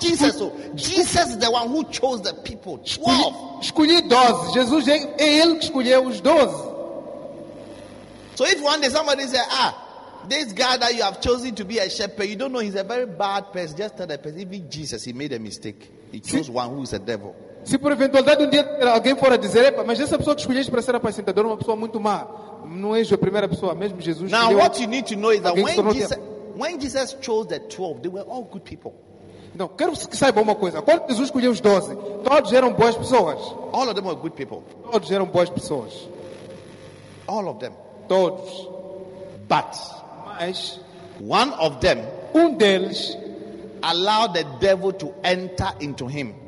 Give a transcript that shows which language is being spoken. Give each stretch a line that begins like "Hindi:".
English: Jesus, Jesus is the one who chose the people. 12.
Portuguese: Escolhi 12. Jesus é ele que escolheu os 12.
English: So if one day somebody says, this guy that you have chosen to be a shepherd, you don't know, he's a very bad person. Just tell the person, even Jesus, he made a mistake. He chose one who is a devil.
Portuguese: Se por eventualidade um dia alguém for a dizer, mas essa pessoa que escolheste para ser apacentador é uma pessoa muito má. Não és a primeira pessoa, mesmo Jesus.
English: Now what you need to know is that when Jesus chose the 12, they were all good people.
Portuguese: Não, quero que saiba uma coisa. Quando Jesus escolheu os 12, todos eram boas pessoas.
English: All of them were good people.
Portuguese: Todos eram boas pessoas.
English: All of them.
Portuguese: Todos.
English: But
Portuguese: mas
English: one of them,
Portuguese: um deles,
English: allowed the devil to enter into him.